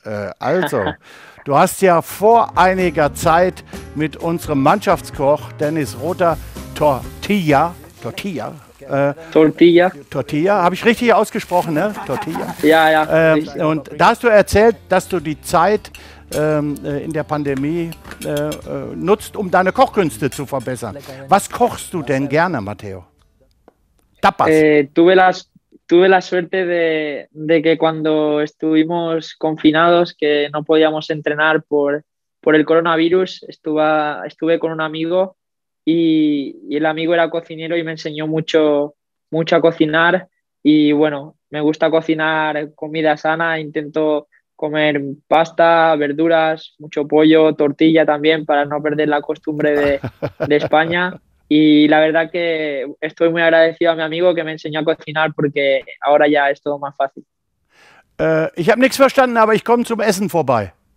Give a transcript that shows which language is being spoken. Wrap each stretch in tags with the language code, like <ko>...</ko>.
<de>Also, du hast ja vor einiger Zeit mit unserem Mannschaftskoch Dennis Rother Tortilla, habe ich richtig ausgesprochen, ne?</de> <es>Tortilla.</es> <de>Ja. Und da hast du erzählt, dass du die Zeit in der Pandemie nutzt, um deine Kochkünste zu verbessern. Was kochst du denn gerne, Mateo?</de> <es>Tapas. Tuve la suerte de que cuando estuvimos confinados, que no podíamos entrenar por el coronavirus, estuve con un amigo. Y el amigo era cocinero y me enseñó mucho a cocinar y bueno, me gusta cocinar comida sana, intento comer pasta, verduras, mucho pollo, tortilla también para no perder la costumbre de España y la verdad que estoy muy agradecido a mi amigo que me enseñó a cocinar porque ahora ya es todo más fácil.</es> <de>Ich habe nichts verstanden, aber ich komme zum Essen vorbei.</de>